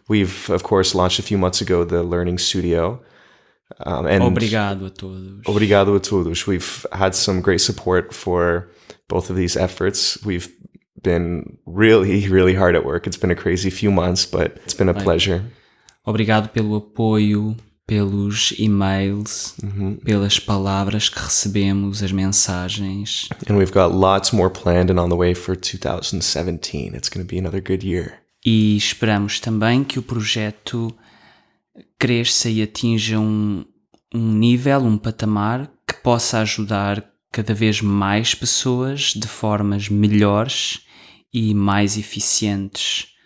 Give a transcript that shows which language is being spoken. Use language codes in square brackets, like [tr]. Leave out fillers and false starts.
[en] We've, of course, launched a few months ago the Learning Studio. And [pt] obrigado a todos. Obrigado a todos. [en] We've had some great support for both of these efforts. We've been really, really hard at work. It's been a crazy few months, but it's been a pleasure. [pt] Obrigado pelo apoio. Pelos e-mails, pelas palavras que recebemos, as mensagens. [en] And we've got lots more planned and on the way for 2017. It's going to be another good year. [pt] E esperamos também que o projeto cresça e atinja um nível, um patamar, que possa ajudar cada vez mais pessoas de formas melhores e mais eficientes.